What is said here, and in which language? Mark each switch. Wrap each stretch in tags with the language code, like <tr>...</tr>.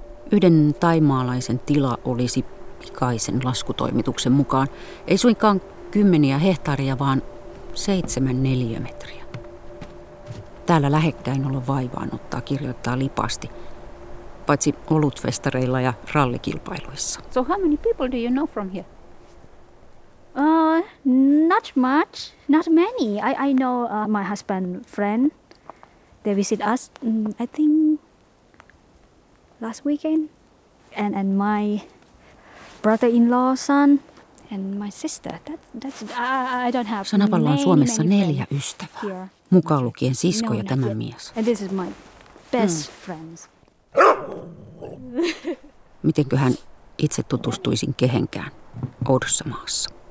<fi>Yhden thaimaalaisen tila olisi pikaisen laskutoimituksen mukaan ei suinkaan kymmeniä hehtaaria, vaan 7 neliömetriä. Täällä lähekkäin olla vaivaan ottaa kirjoittaa Lipasti, paitsi olutfestareilla ja rallikilpailuissa.</fi> <en>So how many people do you know from here? Not much, not many. I know my husband's friend. They visit us, I think last weekend, and my brother-in-law son and my sister. I don't have.</en> <fi>Sanapallo on Suomessa neljä ystävää. Mukaan lukien sisko ja tämä mies.</fi> <en>And this is my best friends.</en> <fi>Mitenköhän itse tutustuisin kehenkään oudossa maassa?</fi>